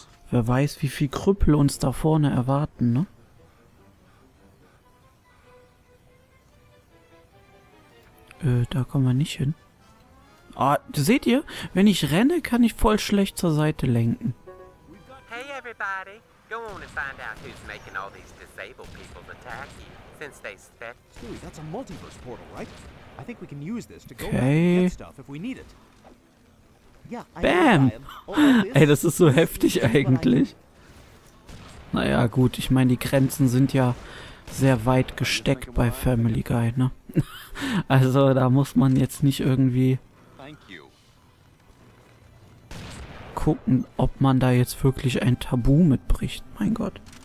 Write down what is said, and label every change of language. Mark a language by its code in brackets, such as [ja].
[de] Wer weiß, wie viel Krüppel uns da vorne erwarten, ne? Da kommen wir nicht hin. Ah, seht ihr? Wenn ich renne, kann ich voll schlecht zur Seite lenken. [en] Hey everybody, go on and find out who's making all these disabled people attack you, since they spent... Hey, that's a multiverse portal, right? I think we can use this to go okay. And get stuff if we need it. Bam! [de] Ey, das ist so heftig eigentlich. Naja, gut, ich meine, die Grenzen sind ja sehr weit gesteckt bei Family Guy, ne? Also, da muss man jetzt nicht irgendwie gucken, ob man da jetzt wirklich ein Tabu mitbricht. Mein Gott.